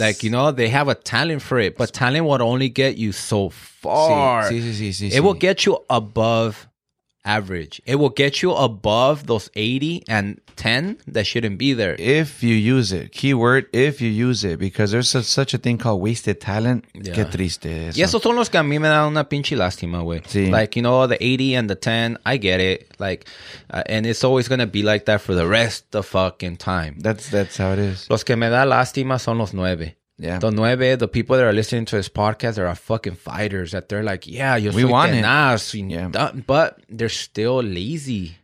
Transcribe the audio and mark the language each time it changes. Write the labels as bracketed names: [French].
[English] Like, you know, they have a talent for it. But talent will only get you so far. See, it will get you above average. It will get you above those 80 and 10 that shouldn't be there. If you use it. Keyword, if you use it. Because there's such a thing called wasted talent. [Spanish] Yeah. Qué triste eso. Y esos son los que a mí me dan una pinche lástima, güey. Sí. [English] Like, you know, the 80 and the 10, I get it. Like, and it's always going to be like that for the rest of fucking time. That's how it is. [Spanish] Los que me da lástima son los 9. [English] Yeah. The 9, the people that are listening to this podcast are fucking fighters that they're like, yeah, you're we want it. Us. But they're still lazy.